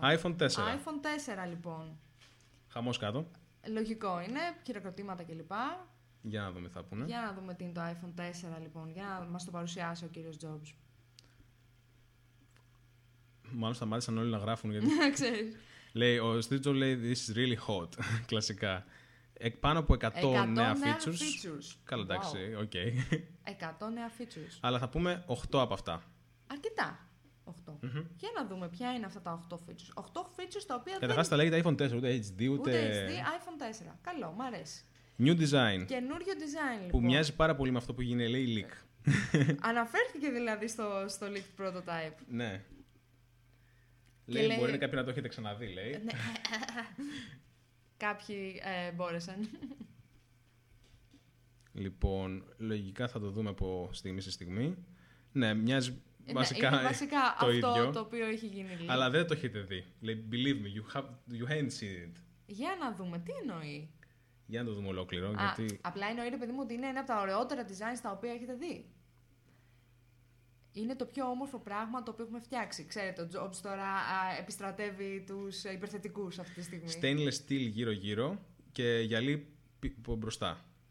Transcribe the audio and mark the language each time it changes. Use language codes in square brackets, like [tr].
[el] iPhone 4. iPhone 4 λοιπόν. Χαμός κάτω. Λογικό είναι, χειροκροτήματα κλπ. Για να δούμε θα πούνε. Για να δούμε τι είναι το iPhone 4 λοιπόν. Για να μας το παρουσιάσει ο κύριος Jobs. Μάλλον σταμάτησαν όλοι να γράφουν. Γιατί... ξέρεις. Λέει, ο Steve Jobs λέει, this is really hot, κλασικά. Πάνω από 100 νέα features. Καλά, εντάξει, οκ. 100 νέα features. Αλλά θα πούμε 8 από αυτά. Αρκετά, 8. Mm-hmm. Για να δούμε ποια είναι αυτά τα 8 features. 8 features τα οποία καταρχάς δεν... τα λέγεται iPhone 4, ούτε HD, ούτε... HD, iPhone 4. Καλό, μου αρέσει. [en] New design. [el] Καινούριο design, λοιπόν. Που μοιάζει πάρα πολύ με αυτό που γίνει, λέει, leak. Αναφέρθηκε δηλαδή στο leak prototype. Ναι. Λέει, μπορεί να κάποιοι να το έχετε ξαναδεί, λέει. Κάποιοι μπόρεσαν. Λοιπόν, λογικά θα το δούμε από στιγμή σε στιγμή. Ναι, μοιάζει βασικά, είναι βασικά το αυτό ίδιο, το οποίο έχει γίνει. Λέει. Αλλά δεν το έχετε δει. [en] Λέει, believe me, you haven't seen it. [el] Για να δούμε, τι εννοεί. Για να το δούμε ολόκληρο. Γιατί... απλά εννοεί, ρε παιδί μου, ότι είναι ένα από τα ωραιότερα designs τα οποία έχετε δει. Είναι το πιο όμορφο πράγμα το οποίο έχουμε φτιάξει. Ξέρετε, ο Jobs τώρα επιστρατεύει τους υπερθετικούς αυτή τη στιγμή. Stainless steel γύρω-γύρω και γυαλί μπροστά.